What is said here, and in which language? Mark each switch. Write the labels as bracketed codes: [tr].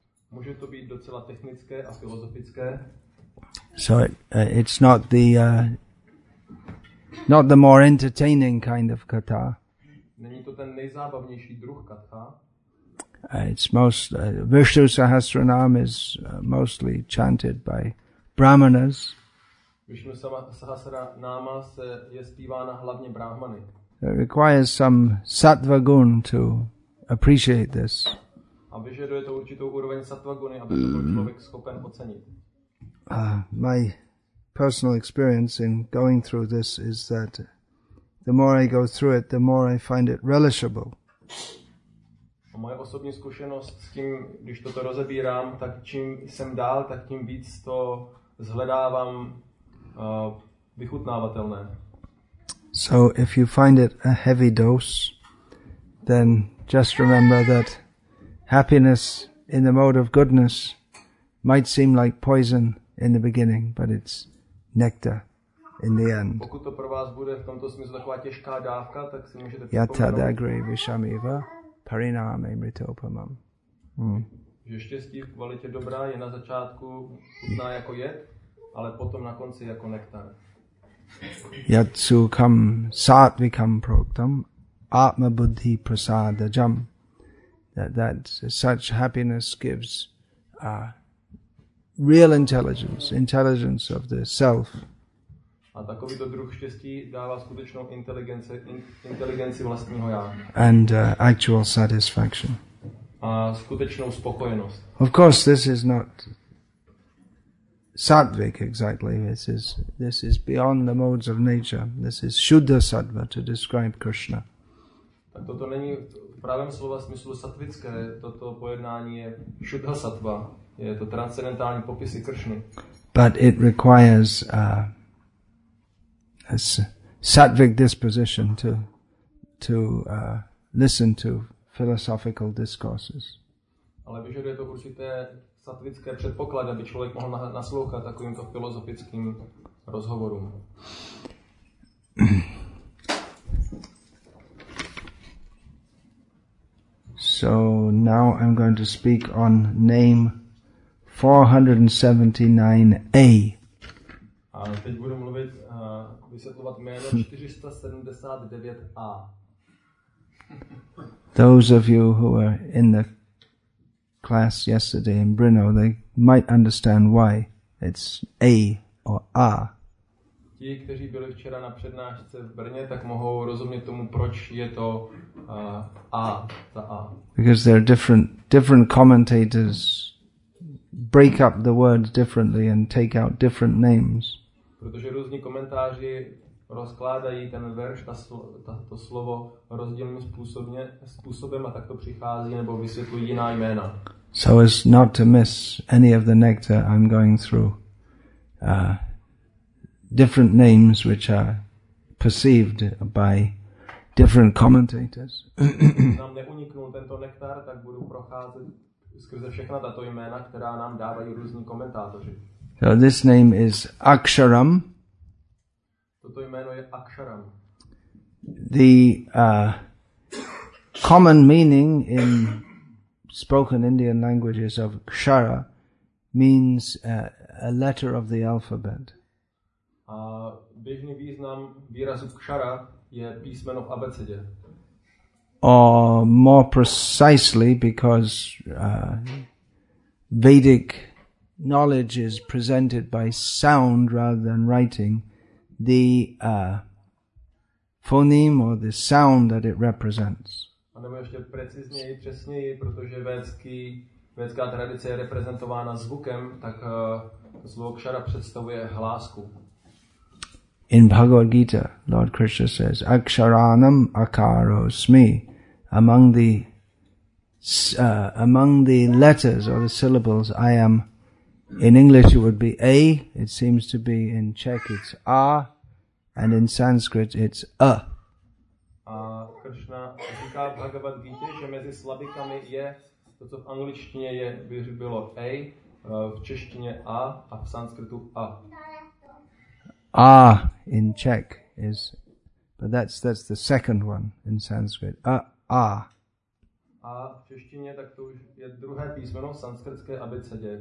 [cs] Může to být docela technické a filozofické. [en] So it's not the more entertaining kind of katha. [cs] Není to ten nejzábavnější druh katha. [en] Vishnu Sahasranam is mostly chanted by brahmanas. [cs] Vishnu Sahasranama je zpívána hlavně brahmany. [en] It requires some sattva gun to appreciate this. [cs] A vyžaduje to určitou úroveň sattva guny, aby to byl člověk schopen ocenit. [en] My personal experience in going through this is that the more I go through it, the more I find it relishable. [cs] A moje osobní zkušenost s tím, když toto rozebírám, tak čím jsem dál, tak tím víc to zhledávám vychutnávatelné. [en] So if you find it a heavy dose, then just remember that happiness in the mode of goodness might seem like poison in the beginning, but it's nectar in the end. [cs] Pokud to pro vás bude v tomto smyslu taková těžká dávka, tak si můžete připomenout. [sa] Yatad agri vishamiva pariname mritopamam. [cs] Že štěstí v kvalitě dobrá je na začátku chutná jako jed, ale potom na konci jako nektar. [sa] Yat sukham sattvikam proktam Atma Buddhi Prasada Jam. [en] That such happiness gives real intelligence of the self. [cs] A takovýto druh štěstí dává skutečnou inteligenci vlastního já. [en] And actual satisfaction. [cs] A skutečnou spokojenost. [en] Of course, this is not sattvic exactly. This is beyond the modes of nature. This is Shuddha Sattva to describe Krishna. [cs] Toto není v pravém slova smyslu sattvické, toto pojednání je šuddha sattva, je to transcendentální popisy Kršny. [en] But it requires a sattvic disposition to listen to philosophical discourses. [cs] Ale vyžaduje to určité sattvické předpoklady, aby člověk mohl naslouchat takovýmto filozofickým rozhovorům. [en] So now I'm going to speak on name 479A. [cs] A teď budu mluvit, vysvětlovat jméno 479A. [en] Those of you who were in the class yesterday in Brno, they might understand why it's A or A. [cs] Ti, kteří byli včera na přednášce v Brně, tak mohou rozumět tomu, proč je to A. [en] Because there are different commentators break up the words differently and take out different names. [cs] Protože různí komentáři rozkládají ten verš, to slovo rozdílným způsobem a tak to přichází nebo vysvětlují jiná jména. [en] So as not to miss any of the nectar I'm going through. Different names which are perceived by different commentators. [cs] Nám neuniknul tento nektar, tak budu procházet skrze všechna tato jména, která nám dávají různí komentátoři. [en] So this name is Aksharam. [cs] Toto jméno je Aksharam. [en] The common meaning in spoken Indian languages of Kshara means a letter of the alphabet. [cs] A běžný význam výrazu kšara je písmeno v abecedě. [en] or more precisely, because Vedic knowledge is presented by sound rather than writing, the phoneme or the sound that it represents. [cs] A nebo ještě precizněji, přesněji, protože vědecká tradice je reprezentována zvukem, tak zvuk kšara představuje hlásku. [en] In Bhagavad Gita, Lord Krishna says, [sa] "Aksharanam akarosmi." [en] Among the letters or the syllables, I am. In English, it would be A. It seems to be in Czech, it's A, and in Sanskrit, it's A. [cs] A Krishna říká v Bhagavad Gita, že mezi slabikami je to, co v angličtině je bylo A, v češtině A, a v sanskritu A. [en] Ah, in Czech is, but that's the second one in Sanskrit. Ah. [cs] A v češtině tak to už je druhé písmeno v sanskritské abecedě.